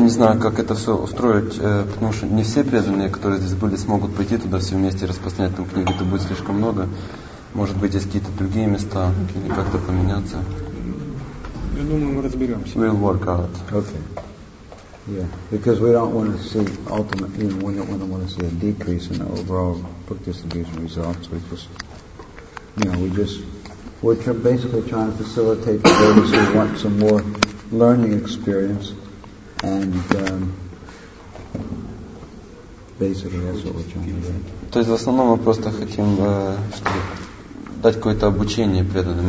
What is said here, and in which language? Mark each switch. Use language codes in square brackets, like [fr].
[ru] не знаю, как это все устроить, потому что не все преданные, которые здесь были, смогут пойти туда все вместе и распространять там книги. Это будет слишком много. Может быть, есть какие-то другие места или как-то поменяться. Я думаю, мы разберемся. [en] We'll work out. Okay. Yeah, because we don't want to see ultimately, you know, we don't want to see a decrease in the overall book distribution results. We just, we're basically trying to facilitate the ones who want some more learning experience, and basically that's what we're trying to do. [ru] То есть в основном мы просто хотим дать какое-то обучение преданным.